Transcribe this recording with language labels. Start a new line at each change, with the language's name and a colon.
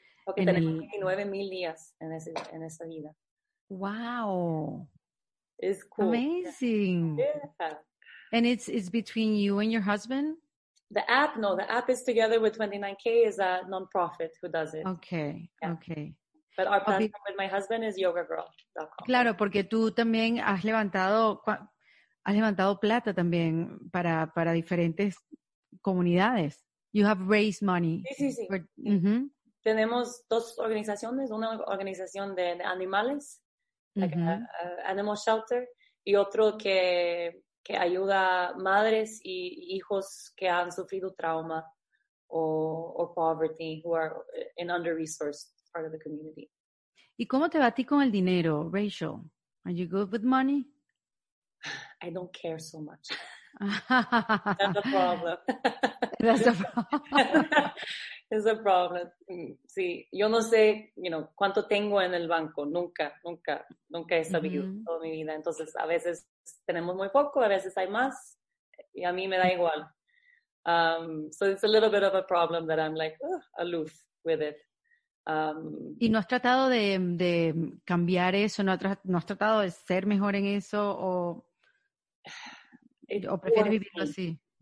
Spanish: Porque tenemos 29 mil días en esa vida.
English: Wow. It's cool. Amazing. Yeah. And it's between you and your husband? The app, no, the app is together with 29K is a nonprofit who does it. Okay, yeah. Okay. But our platform with my husband is yogagirl.com.
Spanish: Claro, porque tú también has levantado plata también para diferentes comunidades.
English: You have raised money.
Spanish: Sí, sí, sí. Mm-hmm. Tenemos dos organizaciones, una organización de animales,
English: like animal shelter,
Spanish: y otro que ayuda a madres y hijos que han sufrido trauma o
English: poverty, who are in under-resourced part of the community.
Spanish: ¿Y cómo te va a ti con el dinero, Rachel?
English: Are you good with money? I don't care so much. That's the problem. That's the problem. It's a problem.
Spanish: Sí, yo no sé,
English: you know,
Spanish: cuánto tengo en el banco. Nunca he sabido toda mi vida. Entonces, a veces tenemos muy poco, a veces hay más. Y a mí me da igual.
English: So it's a little bit of a problem that I'm like, aloof with it.
Spanish: ¿Y no has tratado de cambiar eso? ¿No has tratado de ser mejor en eso? ¿O prefieres vivirlo así?